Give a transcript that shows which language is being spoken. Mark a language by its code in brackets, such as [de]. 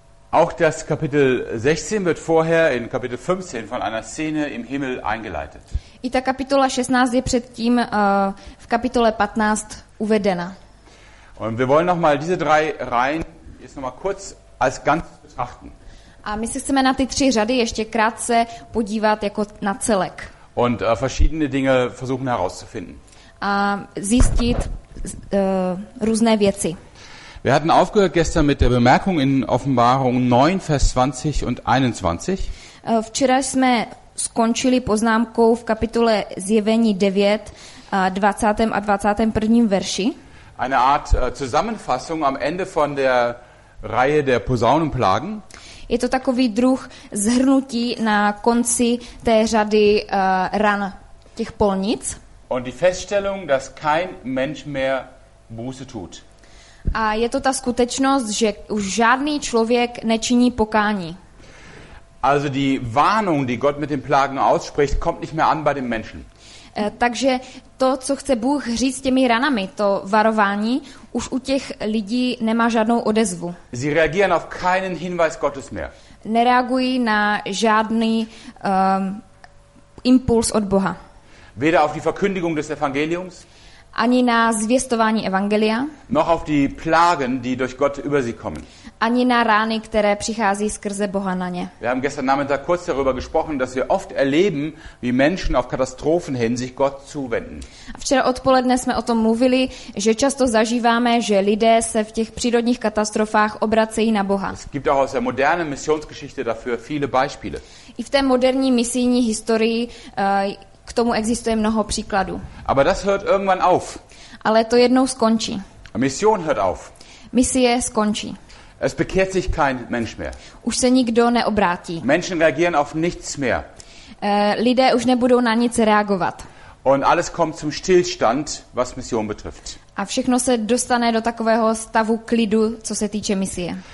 [de] Auch das Kapitel 16 wird vorher in Kapitel 15 von einer Szene im Himmel eingeleitet. [cs] I ta kapitola 16 je předtím v kapitole 15 uvedena. [de] Und wir wollen noch mal diese drei Reihen jetzt noch mal kurz als ganz betrachten. [cs] A my se chceme na ty tři řady ještě krátce podívat jako na celek. [de] Und verschiedene Dinge versuchen herauszufinden. [cs] A zjistit různé věci. [de] Wir hatten aufgehört gestern mit der Bemerkung in Offenbarung 9, Vers 20 und 21. [cs] Včera jsme skončili poznámkou v kapitole Zjevení 9, 20. a 21. verši. [de] Eine Art Zusammenfassung am Ende von der Reihe der Posaunenplagen. [cs] Je to takový druh zhrnutí na konci té řady ran těch polnic. [de] Und die Feststellung, dass kein Mensch mehr Buße tut. [cs] A je to ta skutečnost, že už žádný člověk nečiní pokání. [de] Also die Warnung, die Gott mit den Plagen ausspricht, kommt nicht mehr an bei den Menschen. [cs] Takže to, co chce Bůh říct těmi ranami, to varování, už u těch lidí nemá žádnou odezvu. [de] Sie reagieren auf keinen Hinweis Gottes mehr. [cs] Nereagují na žádný impuls od Boha. [de] Weder auf die Verkündigung des Evangeliums, [cs] ani na zvěstování Evangelia, [de] noch auf die Plagen, die durch Gott über sie kommen. [cs] Ani na rány, které přichází skrze Boha na ně. [de] Wir haben gestern Nachmittag kurz darüber gesprochen, dass wir oft erleben, wie Menschen auf Katastrophen hin sich Gott zuwenden. [cs] Včera odpoledne jsme o tom mluvili, že často zažíváme, že lidé se v těch přírodních katastrofách obracejí na Boha. [de] Es gibt auch aus der modernen Missionsgeschichte dafür viele Beispiele. [cs] I v té moderní misijní historii k tomu existuje mnoho příkladů. [de] Aber das hört irgendwann auf. [cs] Ale to jednou skončí. [de] Mission hört auf. [cs] Misie skončí. [de] Es bekehrt sich kein Mensch mehr. [cs] Už se nikdo neobrátí. [de] Menschen reagieren auf nichts mehr. [cs] Lidé už nebudou na nic reagovat. [de] Und alles kommt zum Stillstand, was Mission betrifft. [cs] A všechno se dostane do takového stavu klidu, co se týče misie.